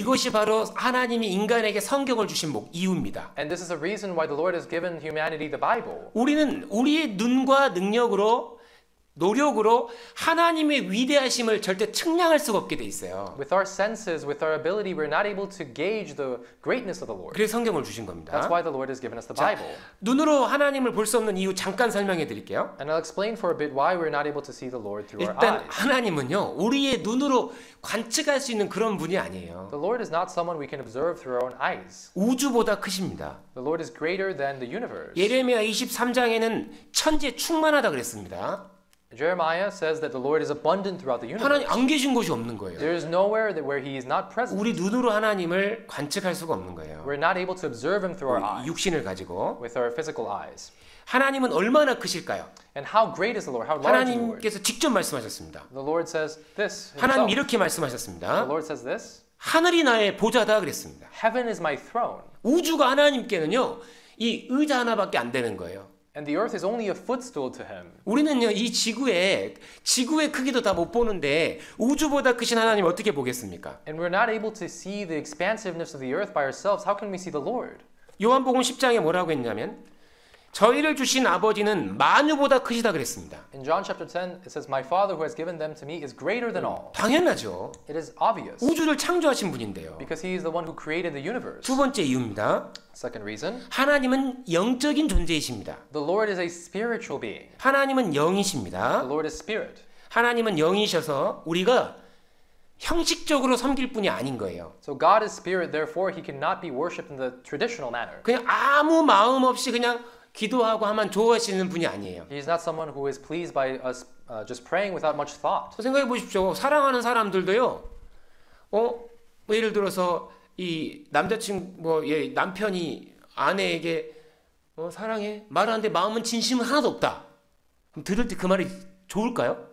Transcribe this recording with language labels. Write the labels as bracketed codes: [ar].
[ko] 이것이 바로 하나님이 인간에게 성경을 주신 이유입니다. [en] And this is a reason why the Lord has given humanity the Bible. [ko] 우리는 우리의 눈과 능력으로 노력으로 하나님의 위대하심을 절대 측량할 수가 없게 돼 있어요. [en] With our senses, with our ability, we're not able to gauge the greatness of the Lord. [ko] 그래서 성경을 주신 겁니다. [en] That's why the Lord has given us the Bible. [ko] 자, 눈으로 하나님을 볼 수 없는 이유 잠깐 설명해 드릴게요. [en] And I'll explain for a bit why we're not able to see the Lord through our eyes. [ko] 일단 하나님은요, 우리의 눈으로 관측할 수 있는 그런 분이 아니에요. [en] The Lord is not someone we can observe through our own eyes. [ko] 우주보다 크십니다. [en] The Lord is greater than the universe. [ko] 예레미야 23장에는 천지에 충만하다 그랬습니다. [en] Jeremiah says that the Lord is abundant throughout the universe. [ko] 하나님 안 계신 곳이 없는 거예요. [en] There is nowhere that where he is not present. [ko] 우리 눈으로 하나님을 관측할 수가 없는 거예요. [en] We're not able to observe him through our eyes. [ko] 육신을 가지고. [en] With our physical eyes. [ko] 하나님은 얼마나 크실까요? [en] And how great is the Lord? How large is the Lord? [ko] 하나님께서 직접 말씀하셨습니다. [en] The Lord says this. [ko] 하나님 이렇게 말씀하셨습니다. [en] The Lord says this. [ko] 하늘이 나의 보좌다 그랬습니다. [en] Heaven is my throne. [ko] 우주가 하나님께는요 이 의자 하나밖에 안 되는 거예요. [en] And the earth is only a footstool to him. [ko] 우리는요 이 지구의 크기도 다 못 보는데 우주보다 크신 하나님 어떻게 보겠습니까? [en] And we're not able to see the expansiveness of the earth by ourselves. How can we see the Lord? [ko] 요한복음 10장에 뭐라고 했냐면 저희를 주신 아버지는 만유보다 크시다 그랬습니다. [en] In John chapter 10 it says my father who has given them to me is greater than all. [ko] 당연하죠. [en] It is obvious. [ko] 우주를 창조하신 분인데요. [en] Because he is the one who created the universe. [ko] 두 번째 이유입니다. [en] Second reason. [ko] 하나님은 영적인 존재이십니다. [en] The Lord is a spiritual being. [ko] 하나님은 영이십니다. [en] The Lord is spirit. [ko] 하나님은 영이셔서 우리가 형식적으로 섬길 분이 아닌 거예요. [en] So God is spirit, therefore he cannot be worshipped in the traditional manner. [ko] 그냥 아무 마음 없이 그냥 기도하고 하면 좋아하시는 분이 아니에요. [en] He is not someone who is pleased by us just praying without much thought. [ko] 생각해 보십시오. 사랑하는 사람들도요. 뭐 예를 들어서 이 남자친구 뭐 예 남편이 아내에게 사랑해 말하는데 마음은 진심은 하나도 없다. 그럼 들을 때 그 말이 좋을까요?